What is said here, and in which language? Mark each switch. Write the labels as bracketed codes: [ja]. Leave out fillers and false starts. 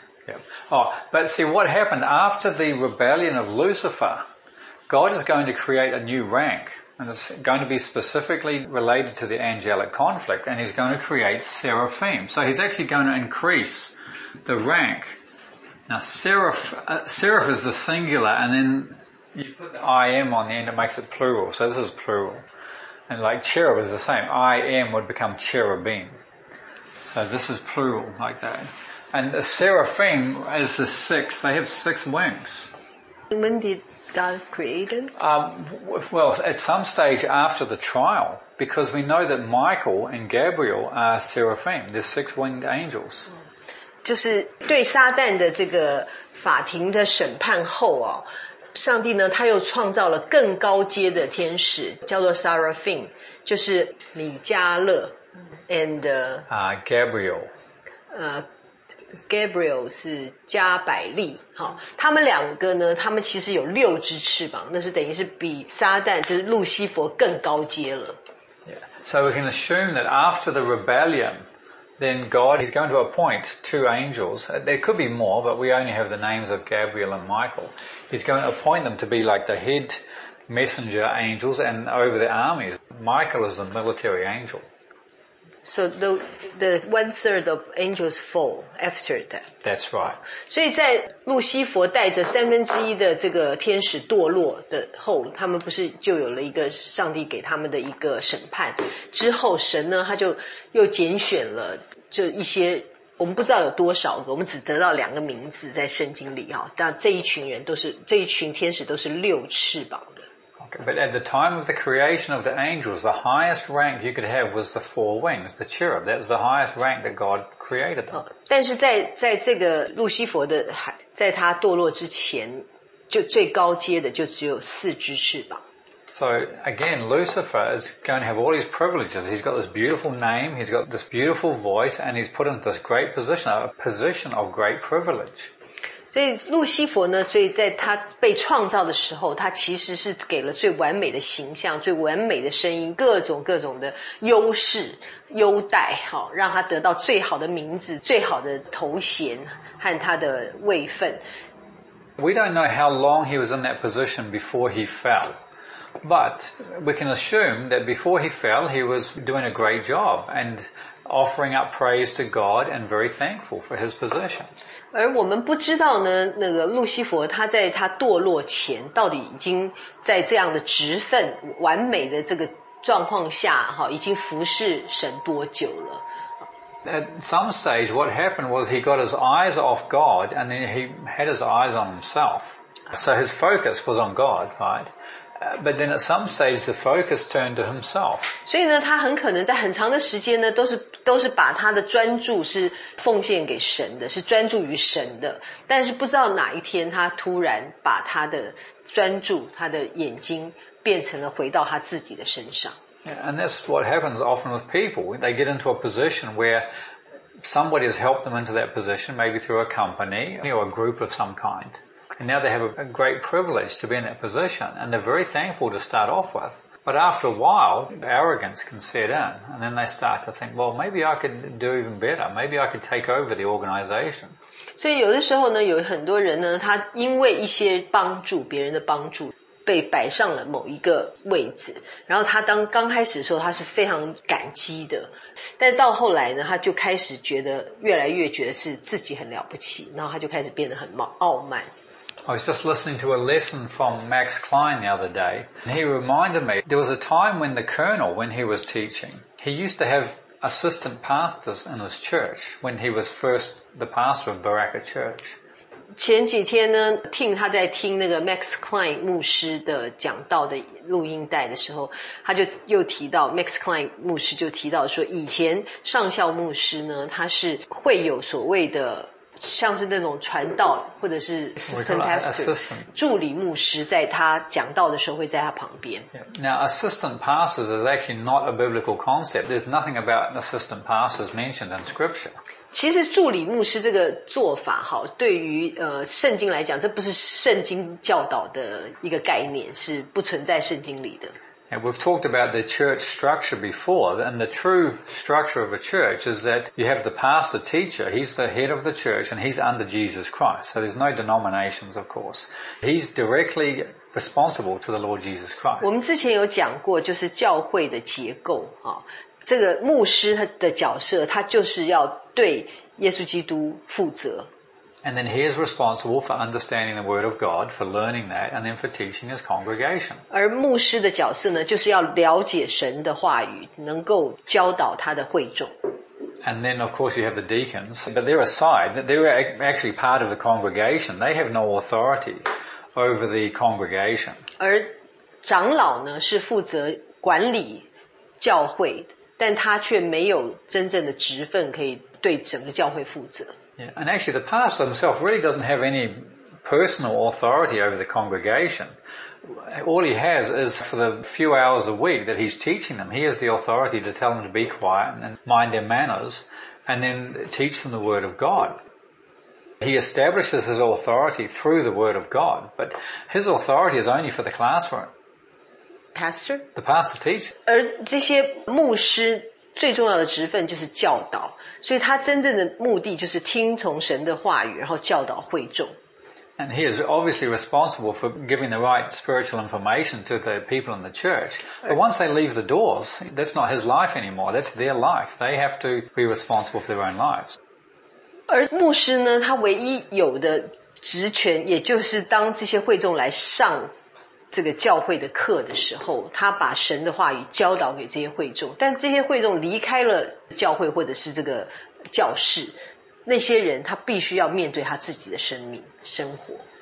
[en] Yeah. Oh, but see what happened after the rebellion of Lucifer, God is going to create a new rank, and it's going to be specifically related to the angelic conflict, and he's going to create seraphim. So he's actually going to increase the rank. Now, seraph is the singular, and then,You put the I am on the end, it makes it plural. So this is plural. And like cherub is the same. I am would become cherubim. So this is plural like that. And the seraphim is the six. They have six wings. When did God create them? Well, at some stage after the trial, because we know that Michael and Gabriel are seraphim. They're six-winged angels. [zh] 就是对撒旦的这个法庭的审判后哦上帝呢他又创造了更高阶的天使叫做 Seraphim 就是米迦勒 [en] and Gabriel [zh] Gabriel 是加百利、哦、他们两个呢他们其实有六只翅膀那是等于是比撒旦就是路西佛更高阶了、 [en] yeah. So we can assume that after the rebellion then God is going to appoint two angels there could be more but we only have the names of Gabriel and MichaelHe's going to appoint them to be like the head messenger angels and over the armies. Michael is the military angel. So the one third of angels fall after that. That's right. [zh] 所以在路西佛带着三分之一的这个天使堕落的后他们不是就有了一个上帝给他们的一个审判之后神呢他就又拣选了就一些我们不知道有多少个，我们只得到两个名字在圣经里哈。但这一群人都是这一群天使都是六翅膀的。 [en] Okay, but at the time of the creation of the angels, the highest rank you could have was the four wings, the cherub. That was the highest rank that God created them.、哦、 [zh] 但是在这个路西佛的在他堕落之前，就最高阶的就只有四只翅膀。 [en] So again, Lucifer is going to have all these privileges. He's got this beautiful name, he's got this beautiful voice, and he's put into this great position, a position of great privilege. [zh] 所以路西佛呢，所以在他被创造的时候，他其实是给了最完美的形象，最完美的声音，各种各种的优势、优待，好，让他得到最好的名字、最好的头衔和他的位分。 [en] We don't know how long he was in that position before he fell. But we can assume that before he fell, he was doing a great job and offering up praise to God and very thankful for his position. [zh] 而我们不知道呢，那个路西佛他在他堕落前到底已经在这样的职分完美的这个状况下，哈，已经服侍神多久了。 [en] At some stage, what happened was he got his eyes off God and then he had his eyes on himself. So his focus was on God, right? But then at some stage the focus turned to himself. [zh] 所以呢他很可能在很长的时间呢都是把他的专注是奉献给神的是专注于神的。但是不知道哪一天他突然把他的专注他的眼睛变成了回到他自己的身上。 [en] Yeah, and that's what happens often with people. They get into a position where somebody has helped them into that position, maybe through a company or a group of some kind. And now they have a great privilege to be in that position, and they're very thankful to start off with. But after a while, arrogance can set in, and then they start to think, well, maybe I could do even better. Maybe I could take over the organization. [zh] 所以有的时候呢，有很多人呢，他因为一些帮助别人的帮助，被摆上了某一个位置，然后他当刚开始的时候他是非常感激的，但到后来呢他就开始觉得越来越觉得是自己很了不起，然后他就开始变得很傲慢。 [en] I was just listening to a lesson from Max Klein the other day, and he reminded me there was a time when the colonel, when he was teaching, he used to have assistant pastors in his church when he was first the pastor of Baraka Church. [zh] 前几天呢，听他在听那个 Max Klein 牧师的讲道的录音带的时候，他就又提到 Max Klein 牧师就提到说，以前上校牧师呢，他是会有所谓的。像是那种传道或者是 assistant pastor 助理牧师在他讲道的时候会在他旁边。 [en] Now assistant pastors is actually not a biblical concept. There's nothing about assistant pastors mentioned in scripture. [zh] 其实助理牧师这个做法好，对于圣经来讲，这不是圣经教导的一个概念，是不存在圣经里的。 [en] And we've talked about the church structure before, and the true structure of a church is that you have the pastor teacher, he's the head of the church, and he's under Jesus Christ. So there's no denominations, of course. He's directly responsible to the Lord Jesus Christ. [zh] 我们之前有讲过就是教会的结构，这个牧师的角色，他就是要对耶稣基督负责。 [en] And then he is responsible for understanding the word of God, for learning that, and then for teaching his congregation. [zh] 而牧师的角色呢，就是要了解神的话语，能够教导他的会众。 [en] And then of course you have the deacons, but they're aside, they're actually part of the congregation. They have no authority over the congregation. [zh] 而长老呢，是负责管理教会，但他却没有真正的职分可以对整个教会负责。 [en] Yeah, and actually the pastor himself really doesn't have any personal authority over the congregation. All he has is for the few hours a week that he's teaching them, he has the authority to tell them to be quiet and mind their manners and then teach them the word of God. He establishes his authority through the word of God, but his authority is only for the classroom. Pastor? The pastor teaches. [zh] 而这些牧师最重要的职分就是教导，所以他真正的目的就是听从神的话语，然后教导会众。 [en] And he is obviously responsible for giving the right spiritual information to the people in the church. But once they leave the doors, that's not his life anymore. That's their life. They have to be responsible for their own lives. [zh] 而牧师呢，他唯一有的职权，也就是当这些会众来上这个教会的课的时候，他把神的话语教导给这些会众，但这些会众离开了教会或者是这个教室，那些人他必须要面对他自己的生命生活。